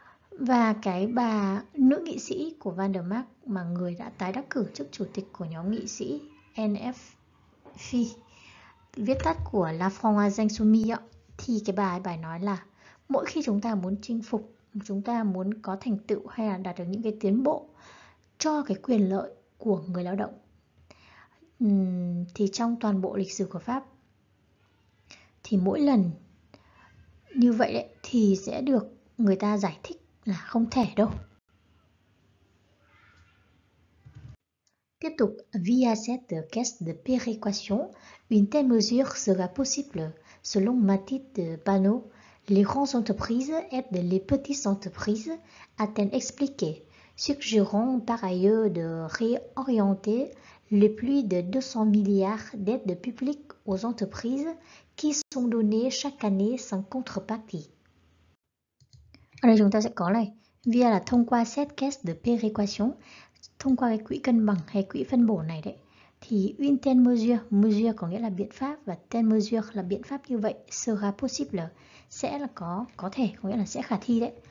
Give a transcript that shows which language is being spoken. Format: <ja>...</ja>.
<vi>Và cái bà nữ nghị sĩ của Van der Mark mà người đã tái đắc cử chức chủ tịch của nhóm nghị sĩ NFI, viết tắt của La France Insoumise, thì cái bài nói là mỗi khi chúng ta muốn chinh phục, chúng ta muốn có thành tựu hay là đạt được những cái tiến bộ cho cái quyền lợi của người lao động, thì trong toàn bộ lịch sử của Pháp, thì mỗi lần như vậy đấy thì sẽ được người ta giải thích là không thể đâu.</vi> <fr>Tiếp tục, via cette caisse de péréquation, une telle mesure sera possible. Selon Mathilde Panot, les grandes entreprises aident les petites entreprises, a-t-elle expliqué, suggérant par ailleurs de réorienter les plus de 200 milliards d'aides publiques aux entreprises qui sont données chaque année sans contrepartie.</fr> <vi>Ở đây chúng ta sẽ có này, via là thông qua</vi> <fr>cette caisse de péréquation,</fr> <vi>thông qua cái quỹ cân bằng hay quỹ phân bổ này đấy, thì</vi> <fr>une telle mesure,</fr> <vi>mesure có nghĩa là biện pháp, và telle mesure là biện pháp như vậy,</vi> <fr>sera possible,</fr> <vi>sẽ là có thể, có nghĩa là sẽ khả thi đấy.</vi>